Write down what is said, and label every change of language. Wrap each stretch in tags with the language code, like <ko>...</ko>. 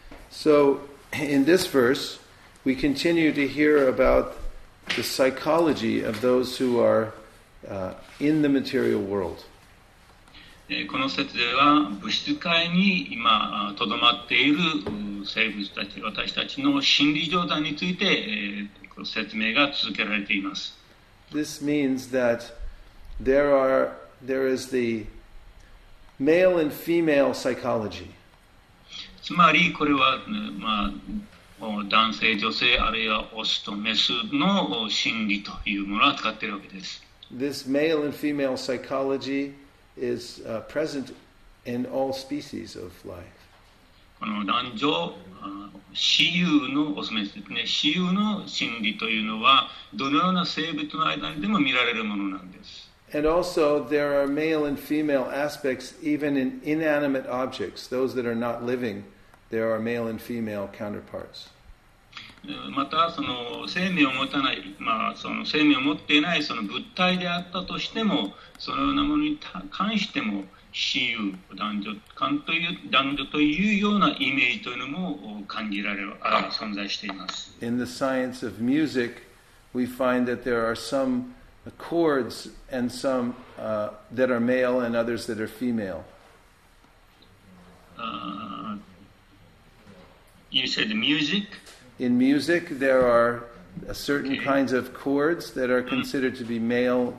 <en>So, in this verse, we continue to hear aboutThe psychology of those who are in the material world.</en> <ja>この節では物質界に今とどまっている生物たち、私たちの心理状態について説明が続けられています。</ja> <en>This means that there is the male and female psychology.</en> <ja>つまりこれは、まあ男性、女性、あるいはオスとメスの心理というものを扱っているわけです。</ja> <en>This male and female psychology is present in all species of life.</en> <ja>この男女、雌雄のオスメスですね。雌雄の心理というのはどのような生物の間にでも見られるものなんです。</ja> <en>And also there are male and female aspects even in inanimate objects, those that are not living. There are male and female counterparts.</en> <ja>またその生命を持たない、まあ、その生命を持っていないその物体であったとしても、そのようなものに関しても、雌雄、男女間という、男女というようなイメージというのも感じられる、存在しています。</ja> <en>In the science of music, we find that there are some chords and some, that are male and others that are female. You said music. In music, there are certain kinds of chords that are considered to be male.</en>